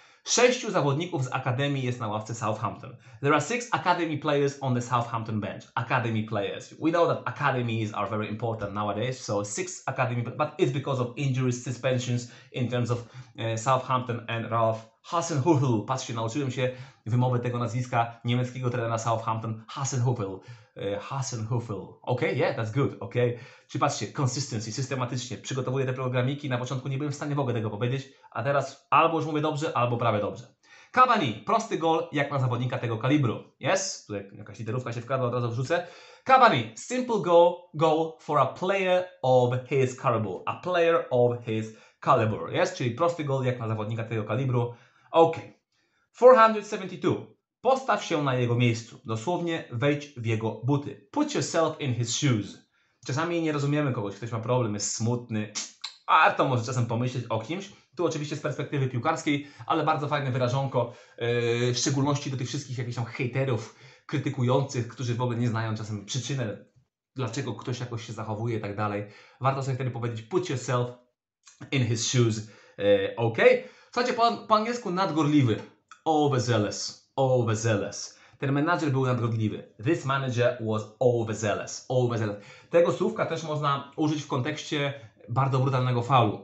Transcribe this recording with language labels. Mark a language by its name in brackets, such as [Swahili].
[Polish] 6 zawodników z Akademii jest na ławce Southampton. [English] There are 6 Academy players on the Southampton bench. Academy players. We know that academies are very important nowadays, so 6 Academy, but it's because of injuries, suspensions in terms of Southampton and Ralf Hasenhüttl. [Polish] Patrzcie, nauczyłem się wymowy tego nazwiska niemieckiego trenera Southampton, Hasenhüttl. Hasenhüttl. [English] Ok, yeah, that's good, ok. [Polish] Czyli patrzcie, [English] consistency, systematycznie. [Polish] Przygotowuję te programiki, na początku nie byłem w stanie w ogóle tego powiedzieć, a teraz albo już mówię dobrze, albo prawie dobrze. Cavani, prosty gol jak na zawodnika tego kalibru. Yes, tutaj jakaś literówka się wkradła, od razu wrzucę. [English] Cavani, simple goal for a player of his caliber. A player of his caliber. [Polish] Yes, czyli prosty gol jak na zawodnika tego kalibru. Ok. 472. Postaw się na jego miejscu. Dosłownie wejdź w jego buty. [English] Put yourself in his shoes. [Polish] Czasami nie rozumiemy kogoś. Ktoś ma problem, jest smutny. A to może czasem pomyśleć o kimś. Tu oczywiście z perspektywy piłkarskiej, ale bardzo fajne wyrażonko. W szczególności do tych wszystkich jakichś tam hejterów, krytykujących, którzy w ogóle nie znają czasem przyczyny, dlaczego ktoś jakoś się zachowuje i tak dalej. Warto sobie wtedy powiedzieć [English] put yourself in his shoes. Ok? [Polish] Słuchajcie, po angielsku nadgorliwy. Overzealous. Overzealous. Ten menadżer był nadgorliwy. [English] This manager was overzealous. Overzealous. [Polish] Tego słówka też można użyć w kontekście bardzo brutalnego faulu.